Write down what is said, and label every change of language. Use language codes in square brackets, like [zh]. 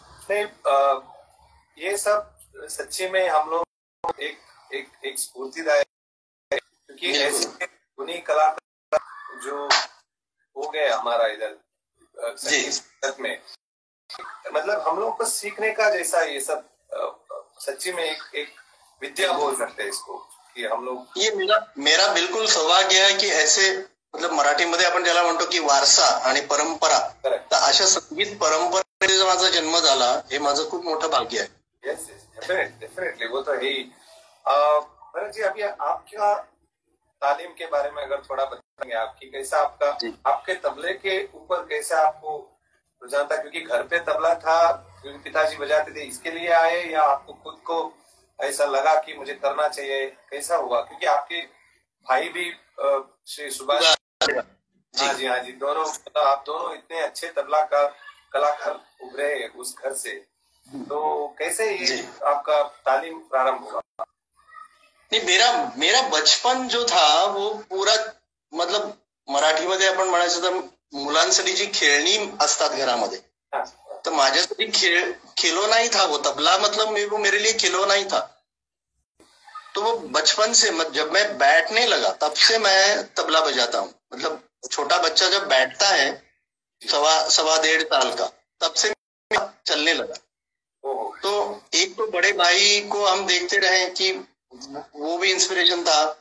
[hi] नहीं, ये सब सच्ची में हम लोग एक एक एक स्फूर्तिदायक, क्योंकि ऐसे बिल्कुल उन्हीं कलाकार जो हो गए हमारा इधर जी संगीत में, मतलब हम लोग को सीखने का जैसा ये सब सच्ची में एक एक विद्या बोल सकते हैं इसको, कि हम लोग ये मेरा मेरा बिल्कुल सौभाग्य है कि ऐसे, मतलब [mr] मराठी मध्ये आपण ज्याला म्हणतो की वारसा आणि परंपरा, तर [en] correct [mr] अशा संगीत परंपरा माझा जन्म झाला हे माझं खूप मोठं भाग्य आहे. [en] yes yes definitely [hi] वो तो है. भरत जी अभी आपका तालीम के बारे में अगर थोड़ा बताएंगे, आपकी कैसा आपका आपके तबले के ऊपर कैसा आपको रुझान था, क्योंकि घर पे तबला था पिताजी बजाते थे, इसके लिए आए या आपको खुद को ऐसा लगा कि मुझे करना चाहिए, कैसा हुआ? क्योंकि आपके भाई भी श्री सुभाष, हाँ जी हाँ जी, दोनों तो आप दोनों इतने अच्छे तबला का कलाकार उभरे उस घर से, तो कैसे आपका तालीम प्रारंभ हुआ? नहीं, मेरा मेरा बचपन जो था वो पूरा मतलब [mr] मराठी मध्ये आपण म्हणायचं तर मुलांसाठी जी खेळणी असतात घरामध्ये, तर माझ्यासाठी [hi] खेलो नाही था वो तबला, मतलब मी मेरे लिए खेलो नाही था. तो वो बचपन से जब मैं बैठने लगा तब से मैं तबला बजाता हूँ. मतलब छोटा बच्चा जब बैठता है सवा सवा डेढ़ साल का, तब से चलने लगा. तो एक तो बड़े भाई को हम देखते रहे कि वो भी इंस्पिरेशन था.